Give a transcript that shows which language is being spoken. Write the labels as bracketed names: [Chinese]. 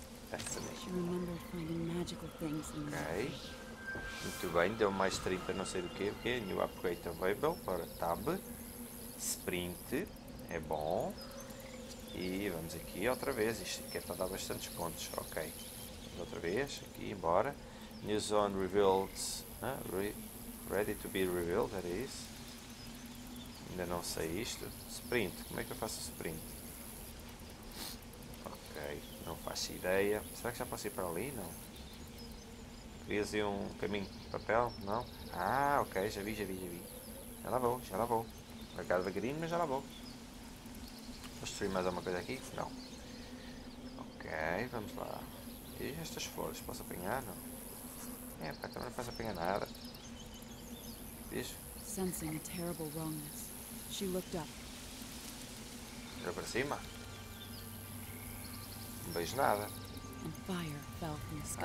[English] She remembered finding magical things in the Ok. [Portuguese] Muito bem, deu mais 30, não sei do que, porque [English] New Upgrade Available [Portuguese] para Tab. Sprint é bom. E vamos aqui outra vez. Isto aqui é para dar bastantes pontos. Ok. Vamos outra vez aqui, embora. [English] New Zone Revealed. [Portuguese] Ah, [English] Ready to be revealed, [Portuguese] era isso. Ainda não sei isto. Sprint, como é que eu faço o sprint? Ok, não faço ideia. Será que já posso ir para ali? Não. Querias ir um caminho de papel? Não? Ah, ok, já vi. Já lá vou. Marcado da green, mas já lá vou. Vou destruir mais alguma coisa aqui? Não. Ok, vamos lá. E estas flores, posso apanhar? Não. É, pá, também não posso apanhar nada. Isso. [English] Sensing a terrible wrongness, she looked up. [Portuguese] Olha para cima. Não vejo nada. [English] And fire fell from the sky.